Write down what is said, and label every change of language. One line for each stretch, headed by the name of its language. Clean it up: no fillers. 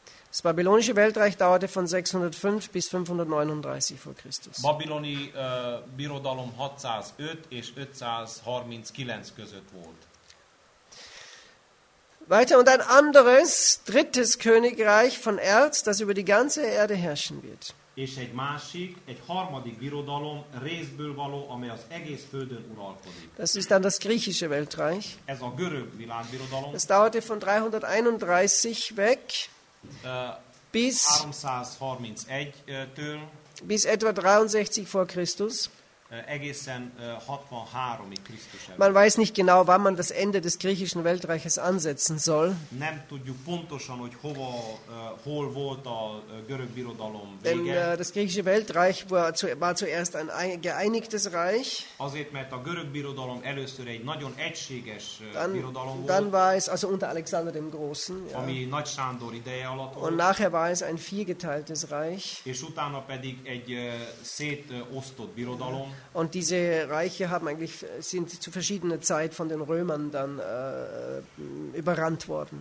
German: Das babylonische Weltreich dauerte von 605 bis 539 vor Christus.
Hungarian: Babiloni birodalom 605 és 539 között volt.
German: Weiter und ein anderes, drittes Königreich von Erz, das über die ganze Erde herrschen wird.
Hungarian: És egy másik, egy harmadik birodalom részből való, amely az egész földön uralkodik.
German: Das ist dann das griechische Weltreich.
Hungarian: Ez a görög világbirodalom.
German: Es dauerte von 331 weg bis
Hungarian: 331-től
German: bis etwa 63 vor Christus.
Hungarian: Egészen 63-ig Krisztus előtt.
German: Man weiß nicht genau, wann man das Ende des griechischen Weltreiches ansetzen soll.
Hungarian: Nem tudjuk pontosan, hogy hova, hol volt a görög birodalom vége.
German: Denn das griechische Weltreich war zuerst ein geeinigtes Reich.
Hungarian: Azért, mert a görög birodalom először egy nagyon egységes birodalom volt.
German: Dann war es also unter Alexander dem Großen.
Hungarian: Ja. Ami Nagy Sándor ideje alatt volt.
German: Und nachher war es ein viergeteiltes Reich.
Hungarian: És utána pedig egy szétosztott birodalom.
German: Und diese Reiche haben eigentlich, sind zu verschiedener Zeit von den Römern dann überrannt worden.